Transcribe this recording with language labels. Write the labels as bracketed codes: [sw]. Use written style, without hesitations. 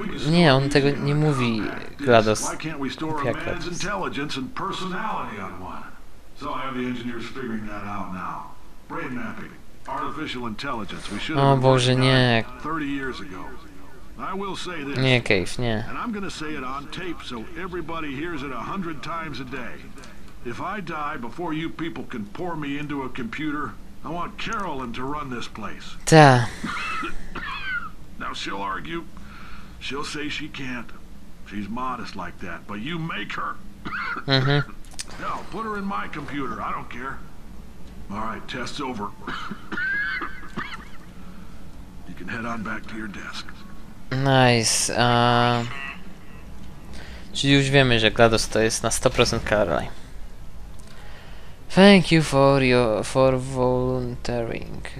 [pl] Nie, on tego nie mówi, GLaDOS. [en] Why can't we store a man's intelligence and personality on one? So I have the engineers figuring that out now. brain mapping, artificial intelligence. We should have been doing that 30 years ago. I will say this. [pl] Nie, Cave, nie. [en] And I'm gonna say it on tape so everybody hears it 100 times a day. If I die before you people can pour me into a computer, I want Carolyn to run this place. [pl] Ta. [en] Now she'll argue. She'll say she can't. She's modest like that, but you make her. Mm-hmm. Hell, put her in my computer. I don't care. All right, test's over. You can head on back to your desk. Nice. [pl] Czyli już wiemy, że GLaDOS to jest na 100% Caroline. [en] Thank you for your for volunteering.